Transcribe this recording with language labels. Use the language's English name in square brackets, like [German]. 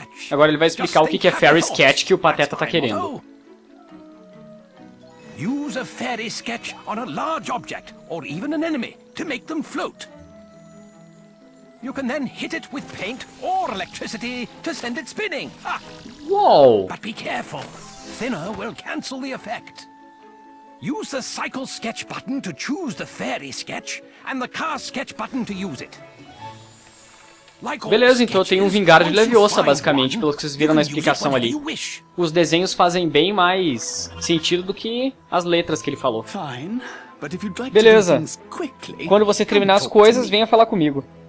[Portuguese] Agora ele vai explicar o que é Fairy Sketch que o Pateta tá querendo. [English] Use a Fairy Sketch on a large object, or even an enemy, to make them float. You can then hit it with paint or electricity to send it spinning. Ah. Whoa! But be careful. thinner will cancel the effect. Use the cycle sketch button to choose the fairy sketch and the car sketch button to use it. [Portuguese] Beleza, então tem um Vingard Leviosa, basicamente, pelo que vocês viram na explicação ali. Os desenhos fazem bem mais sentido do que as letras que ele falou. Beleza. Quando você terminar as coisas, venha falar comigo.